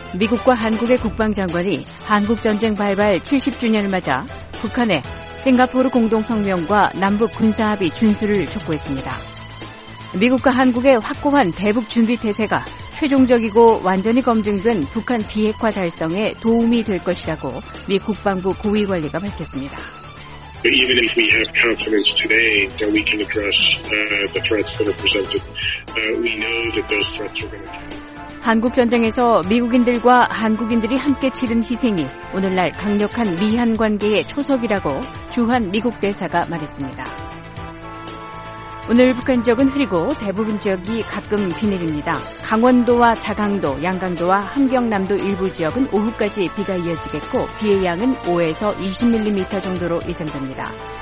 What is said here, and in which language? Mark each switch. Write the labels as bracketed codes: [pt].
[ko] 미국과 한국의 국방장관이 한국전쟁 발발 70주년을 맞아 북한에 싱가포르 공동성명과 남북군사합의 준수를 촉구했습니다. 미국과 한국의 확고한 대북준비태세가 최종적이고 완전히 검증된 북한 비핵화 달성에 도움이 될 것이라고 미 국방부 고위관리가 밝혔습니다. [en] But even if we have confidence today that we can address the threats that are presented, we know that those threats are going to come. [ko] 한국 전쟁에서 미국인들과 한국인들이 함께 치른 희생이 오늘날 강력한 미한 관계의 초석이라고 주한 미국 대사가 말했습니다. 오늘 북한 지역은 흐리고 대부분 지역이 가끔 비 내립니다. 강원도와 자강도, 양강도와 함경남도 일부 지역은 오후까지 비가 이어지겠고 비의 양은 5에서 20mm 정도로 예상됩니다.